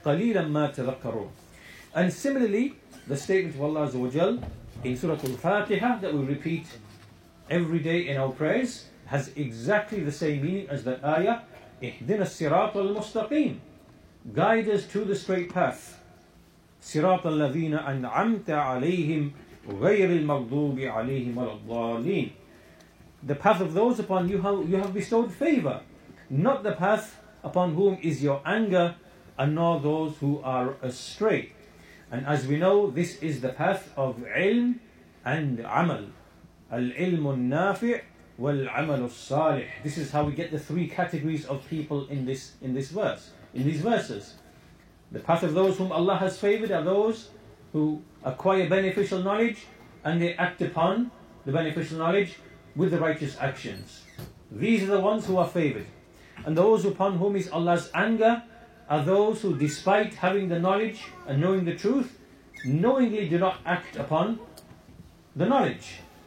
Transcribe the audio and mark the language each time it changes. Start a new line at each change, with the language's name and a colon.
Arabic: قَلِيلًا مَا تَذَكَّرُونَ.
English: And similarly, the statement of Allah Azza wa Jal in Surah Al-Fatiha that we repeat every day in our prayers has exactly the same meaning as that ayah,
Arabic: اِهْدِنَا الصِّرَاطَ الْمُسْتَقِيمِ.
English: Guide us to the straight path.
Arabic: صراط الذين أنعمت عليهم غير المغضوب عليهم ولا الضالين.
English: The path of those upon you have bestowed favor, not the path upon whom is your anger, and nor those who are astray. And as we know, this is the path of ilm and amal.
Arabic: العلم النافع والعمل الصالح.
English: This is how we get the three categories of people in this verse, in these verses. The path of those whom Allah has favored are those who acquire beneficial knowledge and they act upon the beneficial knowledge with the righteous actions. These are the ones who are favored. And those upon whom is Allah's anger are those who, despite having the knowledge and knowing the truth, knowingly do not act upon the knowledge.